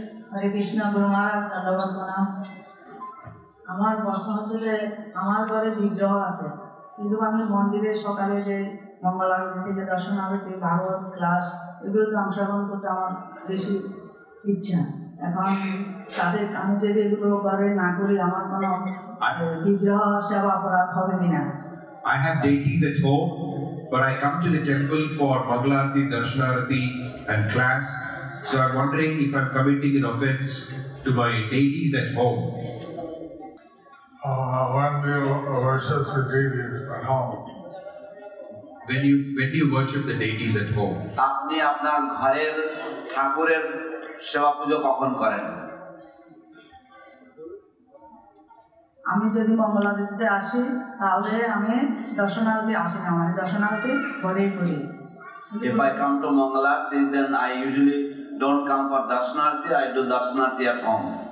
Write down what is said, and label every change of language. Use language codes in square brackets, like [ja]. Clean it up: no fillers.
[bn] হরে কৃষ্ণ গুরু মহারাজ আমার প্রশ্ন হচ্ছে যে আমার ঘরে বিগ্রহ আছে কিন্তু আমি মন্দিরে সকালে যে মঙ্গল আরতি যে দর্শন আরতি ভাগবত ক্লাস এগুলোতে অংশগ্রহণ করতে আমার বেশি ইচ্ছা এখন তাদের আমি যদি এগুলো ঘরে না করি আমার কোনো বিগ্রহ সেবা অপরাধ হবে কিনা [en] I have deities at home, but I come to the temple for Mangalarti, Darshanarati and class. So I'm wondering if I'm committing an offense to my deities at home. When do you worship the deities at home? When do you worship the deities at home? [bn] আপনি আপনার ঘরের ঠাকুরের সেবা পূজো কখন করেন? আমি যদি মঙ্গলাদিতে আসি তাহলে আমি দর্শনারতি আসি না আমি দর্শনারতি ঘরেই করি [en] If I come to Mangalarti then I usually don't come for Darshanarti I do Darshanarti at home